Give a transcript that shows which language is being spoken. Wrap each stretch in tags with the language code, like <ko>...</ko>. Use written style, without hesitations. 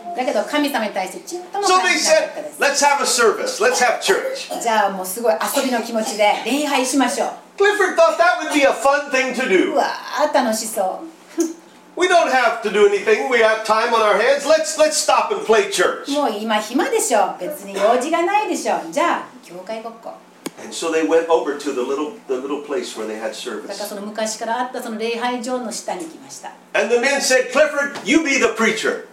<ja>だけど神様に対してちっとも感じなかったです。</ja> <en>So they said, let's have a service, let's have church.</en> <ja>じゃあもうすごい遊びの気持ちで礼拝しましょう。</ja> <en>Clifford thought that would be a fun thing to do.</en> <ja>うわー、楽しそう。</ja> <en>We don't have to do anything, we have time on our hands, let's stop and play church.</en> <ja>もう今暇でしょ、別に用事がないでしょ、じゃあ教会ごっこ。</ja> <en>And so they went over to the little place where they had service.</en> <ja>だからその昔からあったその礼拝場の下に来ました。</ja> <en>And the men said, Clifford, you be the preacher.</en>